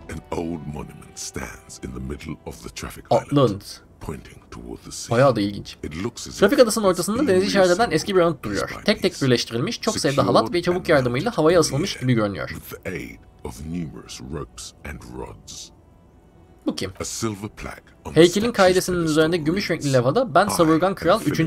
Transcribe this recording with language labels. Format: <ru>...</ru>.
<en>An old monument stands in the middle of the traffic island. Pointing toward the sea.</en> <tr>Bayağı da ilginç. Trafik adasının ortasında denizi işaret eden eski bir anıt duruyor. Tek tek birleştirilmiş, çok sayıda halat ve çubuk yardımıyla havaya asılmış gibi görünüyor.</tr> <en>With the aid of numerous ropes and rods.</en> <tr>Bu kim? Heykelin kaidesinin üzerinde gümüş renkli levhada ben Savurgan Kral 3.</tr>